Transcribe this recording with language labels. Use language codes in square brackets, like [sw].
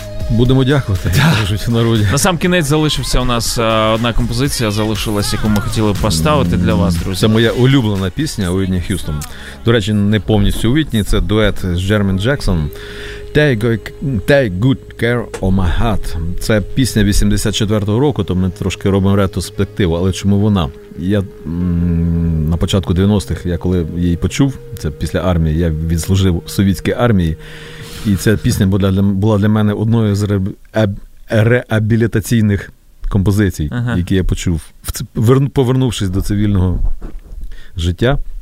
[uk] Будемо дякувати, як кажуть в народі. На сам кінець залишився у нас одна композиція, залишилась, яку ми хотіли поставити для вас, друзі. Це моя улюблена пісня Уітні Х'юстон. До речі, не повністю Уітні, це дует з Джермен Джексон. [en] Take good care of my heart. [uk] Це пісня 84-го року, то ми трошки робимо ретроспективу, але чому вона? Я на початку 90-х, я коли її почув, це після армії, я відслужив совітській армії, і ця пісня була для мене одною з реабілітаційних композицій, ага, які я почув, повернувшись до цивільного життя.